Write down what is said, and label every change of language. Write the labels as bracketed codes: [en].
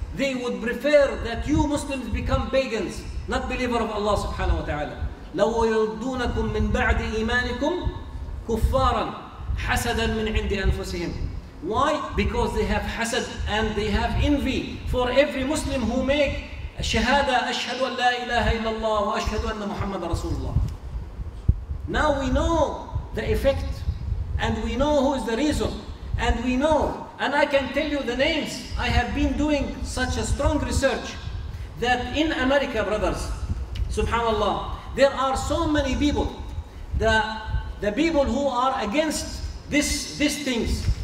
[en] They would prefer that you Muslims become pagans, not believer of Allah subhanahu wa ta'ala. [ar] لَوَ يَرُدُّونَكُمْ مِنْ بَعْدِ إِيمَانِكُمْ كُفَّارًا حَسَدًا مِنْ عِنْدِ أَنفُسِهِمْ. [en] Why? Because they have hasad and they have envy for every Muslim who make [ar] الشهادة أشهد أن لا إله إلا الله وأشهد أن محمد رسول الله. [en] Now we know the effect and we know who is the reason and we know, and I can tell you the names. I have been doing such a strong research that in America, brothers, subhanAllah, there are so many people, the people who are against these things.